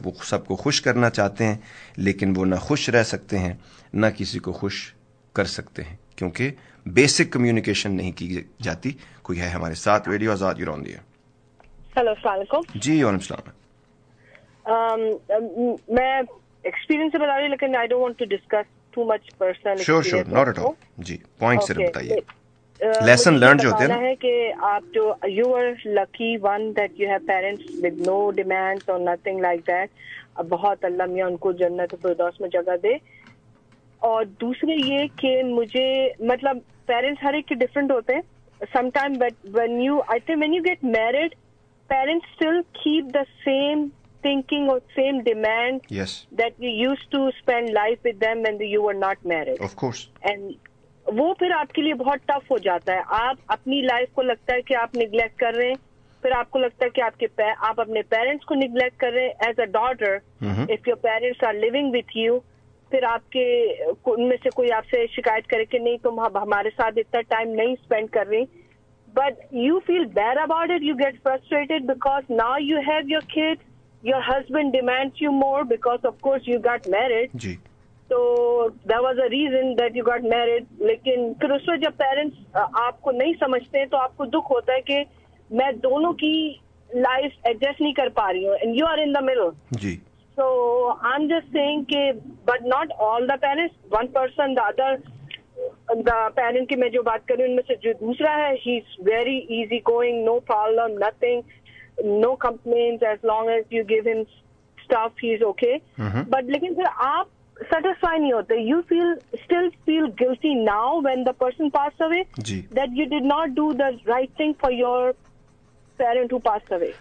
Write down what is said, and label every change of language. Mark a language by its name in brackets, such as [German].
[Hindi] वो सबको खुश करना चाहते हैं, लेकिन वो ना खुश रह सकते हैं, ना किसी को खुश कर सकते हैं, क्योंकि बेसिक कम्युनिकेशन नहीं की जाती। कोई है हमारे साथ, radio Azad, you on the air. Hello, अस्सलाम वालेकुम जी। वालेकुम सलाम। मैं एक्सपीरियंस से बता रही, लेकिन [English] I don't want to discuss too much personal experience. Sure, not at all. जी, points [Hindi] सिर्फ बताइए. [English] Lesson learned [Hindi] जो होते हैं ना, है कि आप जो [English] you are lucky one that you have parents with no demands or nothing like that. [Hindi] बहुत अल्लाह मियां उनको जन्नत फिरदौस में जगह दे. और दूसरे ये कि मुझे मतलब parents हर एक के different होते हैं. [English] Sometime but when you I think when you get married, parents still keep the same thinking or same demand, yes, that you used to spend life with them when you were not married. Of course. [Hindi] And वो फिर आपके लिए बहुत tough हो जाता है. आप अपनी life को लगता है कि आप neglect कर रहे हैं, फिर आपको लगता है कि आपके आप अपने parents को neglect कर रहे हैं. [English] As a daughter, if your parents are living with you, [Hindi] फिर आपके उनमें से कोई आपसे शिकायत करे कि नहीं, तुम हमारे साथ इतना time नहीं spend कर रही, [English] but you feel bad about it, you get frustrated because now you have your kids. Your husband demands you more because, of course, you got married. [Hindi] Ji. [English] So there was a reason that you got married. [Hindi] लेकिन फिर उस वक्त जब parents आपको नहीं समझते हैं, तो आपको दुख होता है कि मैं दोनों की life adjust नहीं कर पा रही हूँ, [English] and you are in the middle. [Hindi] Ji. [English] So I'm just saying कि but not all the parents, one person, the other. [Hindi] Parent की मैं जो बात कर रही हूँ उनमें से जो दूसरा है [English] He is very easy going, no problem, nothing, no complaints, as long as you give him stuff he is okay. But [Hindi] लेकिन फिर आप सेटिस्फाई नहीं होते, [English] You feel still feel guilty now when the person pass away that you did not do the right thing for your parent who pass away.